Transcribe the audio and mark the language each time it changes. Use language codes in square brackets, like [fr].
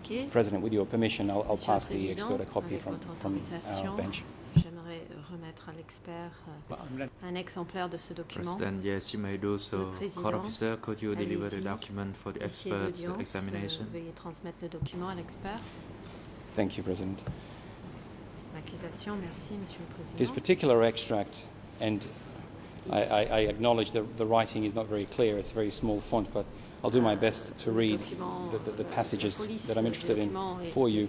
[en] President, with your permission, I'll pass the expert a copy from our bench. [fr] J'aimerais remettre à l'expert un exemplaire de ce document. [en] President, yes, you may do so. Court officer, could you deliver the document for the expert's examination? [fr] Veuillez transmettre le document à l'expert. [en] Thank you, President. [fr] Accusation, merci, Monsieur le Président. [en] This particular extract, and I acknowledge that the writing is not very clear, it's a very small font, but I'll do my best to read the passages that I'm interested in for you.